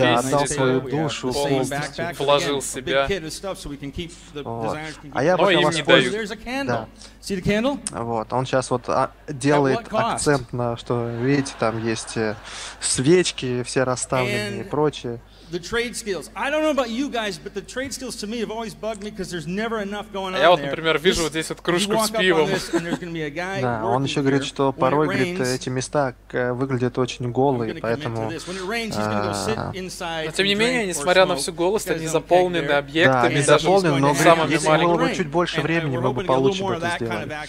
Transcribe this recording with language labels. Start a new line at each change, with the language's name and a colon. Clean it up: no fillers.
Russian: Да, отдал свою душу, полностью. Вложил себя. А я бы вас понял. Да.
English: See the candle?
Russian: Вот, он сейчас вот делает акцент на, что, видите, там есть свечки все расставлены и прочее.
English: The trade skills. I don't know about you guys, but the trade skills to me have always bugged me because there's never enough going on there.
Russian: Я вот, например, вижу вот здесь вот кружку с пивом. Да, он еще говорит, что порой, говорит, эти места выглядят очень голые, поэтому... Но тем не менее, несмотря на всю голость, они заполнены объектами, да, заполнены, но если было бы чуть больше времени, мы бы получше бы это сделали.